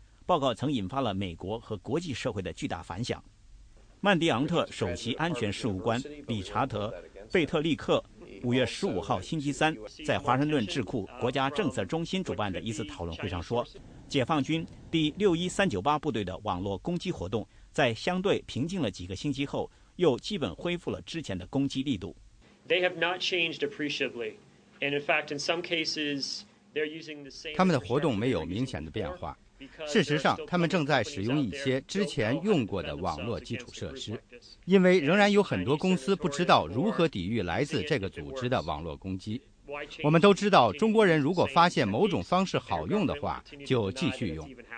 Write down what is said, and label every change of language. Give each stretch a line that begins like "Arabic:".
Chinese: 报告曾引发了美国和国际社会的巨大反响。曼迪昂特首席安全事务官理查德·贝特利克5月15号星期三在华盛顿智库国家政策中心主办的一次讨论会上说，解放军第61398部队的网络攻击活动在相对平静了几个星期后又基本恢复了之前的攻击力度。
English: They have not changed appreciably, and in fact, in some cases,
Chinese: 他们的活动没有明显的变化。事实上，他们正在使用一些之前用过的网络基础设施，因为仍然有很多公司不知道如何抵御来自这个组织的网络攻击。我们都知道，中国人如果发现某种方式好用的话，就继续用。